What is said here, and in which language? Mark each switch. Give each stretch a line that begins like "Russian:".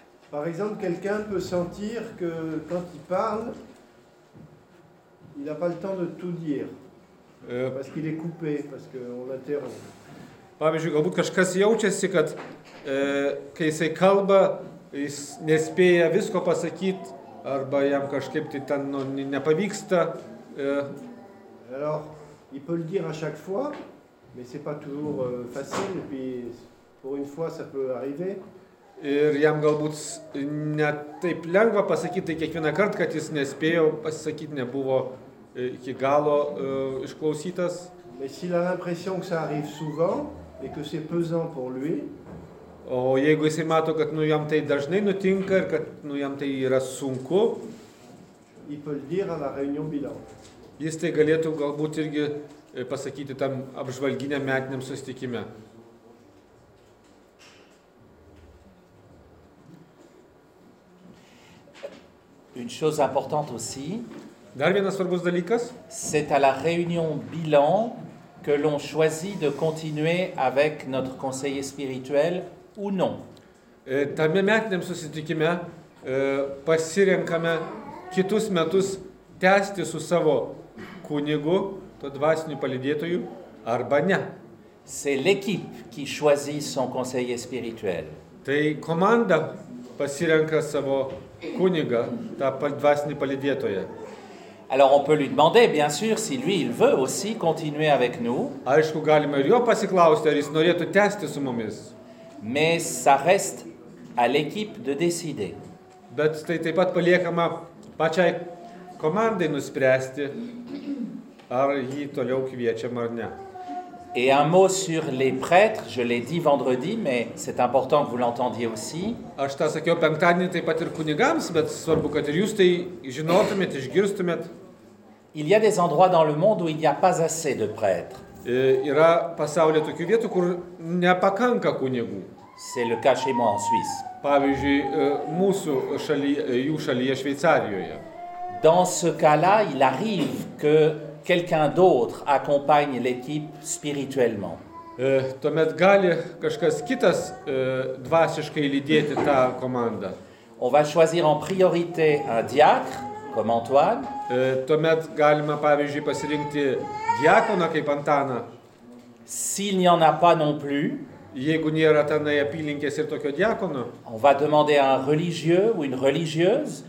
French: Par exemple, quelqu'un peut sentir que quand il parle, il n'a pas le temps de tout dire. Parce qu'il est coupé, parce qu'on l'interrompt.
Lithuanian: Pavyzdžiui, galbūt kažkas jaučiasi, kad kai jisai kalba, jis nespėja visko pasakyti, arba jam kažkaip tai ten nu, nepavyksta.
French: Alors, il peut le dire à chaque fois. Mais c'est pas toujours facile, et puis pour une fois ça peut arriver.
Lithuanian: Ir jam galbūt ne taip lengva pasakyti kiekvieną kartą, kad jis nespėjo pasisakyti, nebuvo iki galo išklausytas.
French: Mais s'il a l'impression que ça arrive souvent et que c'est pesant pour lui.
Lithuanian: O jeigu jisai mato, kad nu jam tai dažnai nutinka ir kad nu jam tai yra sunku,
French: il peut le dire à la réunion bilan.
Lithuanian: Jis tai galėtų galbūt irgi pasakyti tam apžvalginiam metiniam susitikime.
French: Une chose importante aussi.
Lithuanian: Dar vienas svarbus dalykas.
French: C'est à la réunion bilan que l'on choisit de continuer avec notre conseiller spirituel ou non.
Lithuanian: Tame metiniam susitikime pasirenkame kitus metus tęsti su savo kunigu, to dvasiniu palydėtoju, arba ne.
French: C'est l'équipe qui choisit son conseiller spirituel.
Lithuanian: Tai komanda pasirenka savo kuniga, tą dvasinį palydėtoją.
French: Alors on peut lui demander, bien sûr, si lui il veut aussi continuer avec nous.
Lithuanian: Aišku, galime ir jo pasiklausti, ar jis norėtų tęsti su mumis.
French: Mais ça reste à l'équipe de décider.
Lithuanian: Bet tai taip pat paliekama pačiai komandai nuspręsti, ar jį toliau kviečiam ar ne.
French: Et un mot sur les prêtres, je l'ai dit vendredi, mais c'est important que vous l'entendiez aussi.
Lithuanian: Aš tą sakiau penktadienį taip pat ir kunigams, bet svarbu, kad ir jūs tai žinotumėt, išgirstumėt.
French: Il y a des endroits dans le monde où il n'y a pas assez de prêtres.
Lithuanian: Yra pasaulyje tokių vietų, kur nepakanka kunigų.
French: C'est le cas chez moi en Suisse.
Lithuanian: Pavyzdžiui, mūsų šalyje, jų šalyje Šveicarijoje.
French: Dans ce cas-là, il arrive que quelqu'un d'autre accompagne l'équipe spirituellement.
Lithuanian: Tuomet gali kažkas kitas dvasiškai lydėti tą komandą.
French: On va choisir en priorité un diacre, comme Antoine.
Lithuanian: Tuomet galima, pavyzdžiui, pasirinkti diakoną kaip Antaną.
French: S'il n'y en a pas non plus,
Lithuanian: jeigu nėra tenai apylinkės ir tokio diakono,
French: on va demander un religieux ou une religieuse.